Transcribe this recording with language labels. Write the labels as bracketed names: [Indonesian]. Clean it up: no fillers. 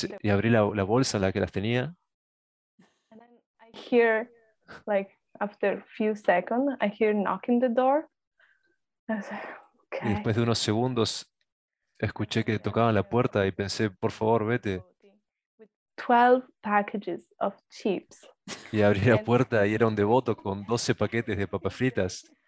[Spanish] y abrí la bolsa en la que las tenía. [English] And then I hear, like after a few seconds, I hear knocking the door. I was like, okay. [Spanish] Y después de unos segundos escuché que tocaban la puerta y pensé, por favor, vete. [English] With 12 packages of chips. [Spanish] Y abrí la puerta y era un devoto con 12 paquetes de papas fritas.